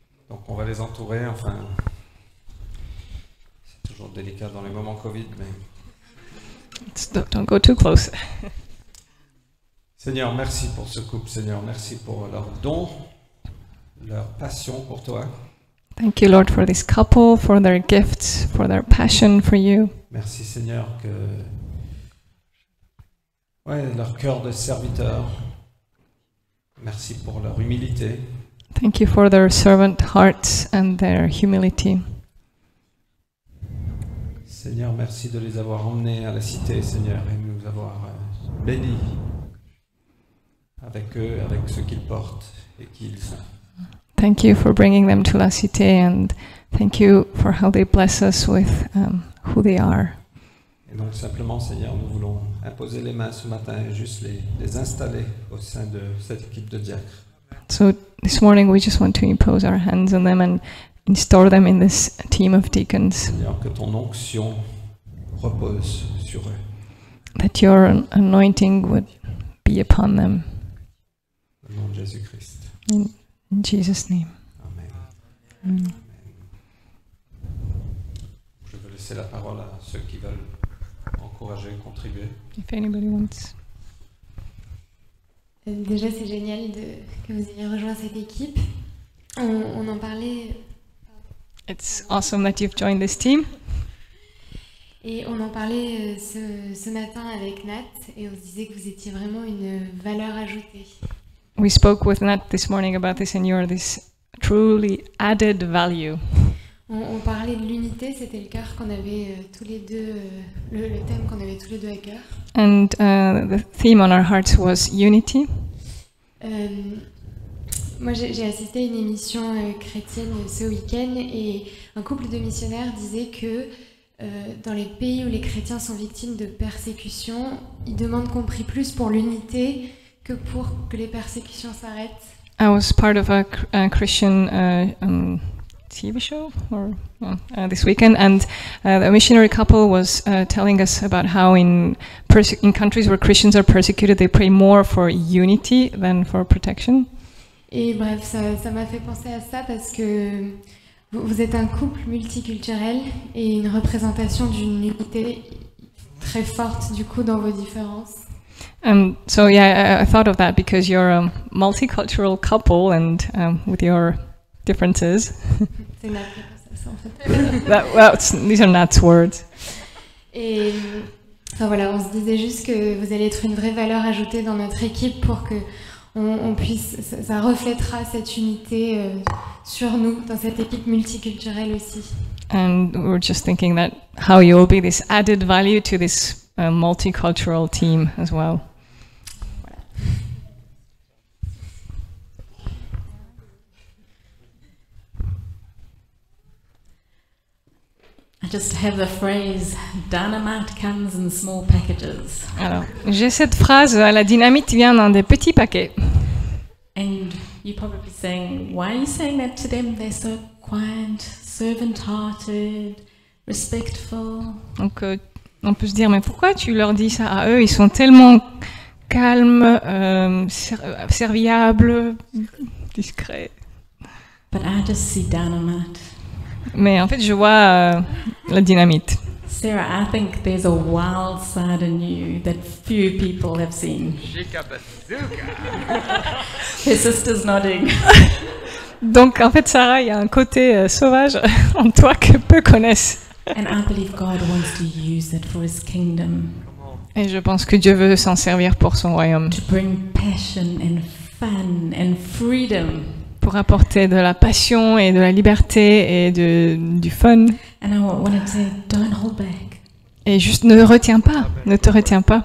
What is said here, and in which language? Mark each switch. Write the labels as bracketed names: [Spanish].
[French] Donc on va les entourer, enfin c'est toujours délicat dans les moments Covid, mais [English] don't go too close. [French] Seigneur, merci pour ce couple. Seigneur, merci pour leur don, leur passion pour toi. [English] Thank you, Lord, for this couple, for their gifts, for their passion for you. [French] Merci, Seigneur, que leur cœur de serviteur. Merci pour leur humilité. [English] Thank you for their servant hearts and their humility. [French] Seigneur, merci de les avoir emmenés à la cité, Seigneur, et nous avoir bénis avec eux, avec ce qu'ils portent et qui ils sont. [English] Thank you for bringing them to la cité and thank you for how they bless us with who they are. [French] Et donc simplement, Seigneur, nous voulons imposer les mains ce matin et juste les installer au sein de cette équipe de diacres. [English] So this morning we just want to impose our hands on them and install them in this team of deacons. [French] Seigneur, que ton onction repose sur eux. [English] That your anointing would be upon them. [French] Au nom de Jésus-Christ. [English] In Jesus' name. Amen. Amen. [French] Je vais laisser la parole à ceux qui veulent encourager, contribuer. [English] If anybody wants. [French] Déjà, c'est génial que vous ayez rejoint cette équipe. On en parlait. [English] It's awesome that you've joined this team. [French] Et on en parlait ce matin avec Nat et on se disait que vous étiez vraiment une valeur ajoutée. [English] We spoke with Nat this morning about this and you are this truly added value. [French] On parlait de l'unité, c'était le cœur qu'on avait tous les deux, le thème qu'on avait tous les deux à cœur. [English] And the theme on our hearts was unity. [French] Moi, j'ai assisté à une émission chrétienne ce week-end et un couple de missionnaires disait que dans les pays où les chrétiens sont victimes de persécutions, ils demandent qu'on prie plus pour l'unité que pour que les persécutions s'arrêtent. [English] I was part of a Christian TV show or this weekend, and a missionary couple was telling us about how in countries where Christians are persecuted, they pray more for unity than for protection. [French] Et bref, ça m'a fait penser à ça parce que vous êtes un couple multiculturel et une représentation d'une unité très forte du coup dans vos différences. [English] So yeah, I thought of that because you're a multicultural couple and with your differences. [French] C'est Nat qui pense à ça en fait. [English] These are Nat's words. [French] Et enfin voilà, on se disait juste que vous allez être une vraie valeur ajoutée dans notre équipe pour que on puisse, ça reflétera cette unité sur nous, dans cette équipe multiculturelle aussi. [English] And we're just thinking that how you will be this added value to this multicultural team as well. [French] Voilà. [English] I just have the phrase dynamite comes in small packages. [French] Alors, j'ai cette phrase, la dynamite vient dans des petits paquets. [English] And you're probably saying, why are you saying that to them? They're so quiet, servant-hearted, respectful. [French] Donc, on peut se dire, mais pourquoi tu leur dis ça à eux? Ils sont tellement calmes, serviables, discrets. [English] But I just see dynamite. [French] Mais en fait, je vois la dynamite. [English] Sarah, I think there's a wild side in you that few people have seen. [Spanish] Chica bazooka. [English] Her sister's nodding. [French] Donc en fait, Sarah, il y a un côté sauvage en toi que peu connaissent. [English] And I believe God wants to use it for His kingdom. [French] Et je pense que Dieu veut s'en servir pour son royaume. [English] To bring passion and fun and freedom. [French] Pour apporter de la passion et de la liberté et du fun. [English] And I wanted to say, don't hold back. [French] Et juste ne retiens pas, ne te retiens pas.